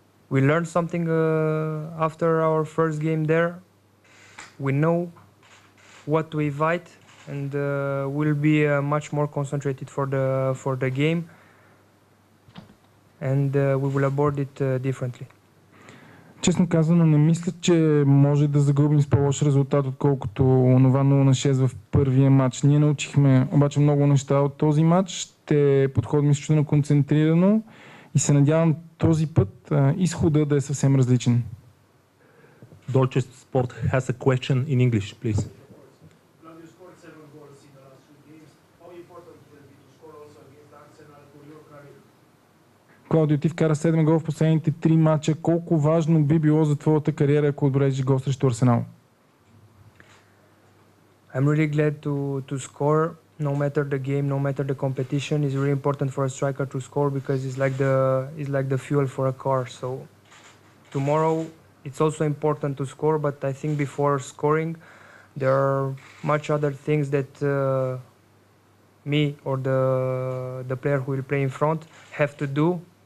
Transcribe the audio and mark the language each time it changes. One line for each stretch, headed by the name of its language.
English: We learned something after our first game there. We know what to invite. And we'll be much more concentrated for the game, and we will abort it differently.
Bulgarian: Честно казано, не мисля, че може да загубим с по-лош резултат, отколкото онова 0-6 в първия матч. Ние научихме обаче много неща от този матч. Ще подходим изключително концентрирано и се надявам този път изхода да е съвсем различен.
English: Deutsche Sport has a question in English, please.
Bulgarian: Клаудио, ти вкара 7 гола в последните 3 мача. Колко важно би било за твоята кариера, ако отбележиш гол срещу Арсенал?
English: I'm really glad to score, no matter the game, no matter the competition. It's really important for a striker to score because it's like the fuel for a car. So tomorrow it's also important to score, but I think before scoring there are much other things that me or the player who will play in front have to do.